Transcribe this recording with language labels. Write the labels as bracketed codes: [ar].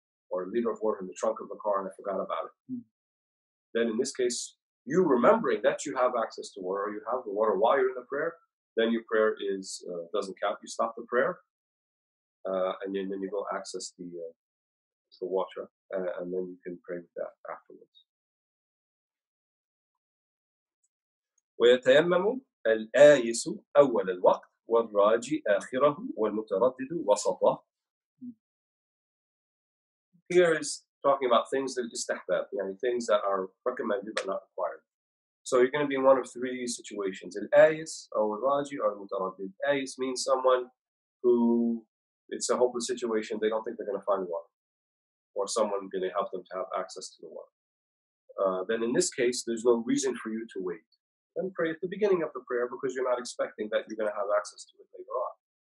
[en] Or a liter of water in the trunk of the car, and I forgot about it. Then in this case, you remembering that you have access to water, or you have the water while you're in the prayer, then your prayer is doesn't count. You stop the prayer, and then you go access the water, and then you can pray with that afterwards. [ar] ويتيمم الآيس أول الوقت والراجي آخره والمتردد وسطه. [en] Here is talking about things that istihbab, يعني things that are recommended but not required. So you're going to be in one of three situations. [ar] الآيس أو الراجي أو المتردد. [en] آيس means someone who it's a hopeless situation, they don't think they're going to find water. or someone going to help them to have access to the water. Then in this case, there's no reason for you to wait. Then pray at the beginning of the prayer because you're not expecting that you're going to have access to it later on.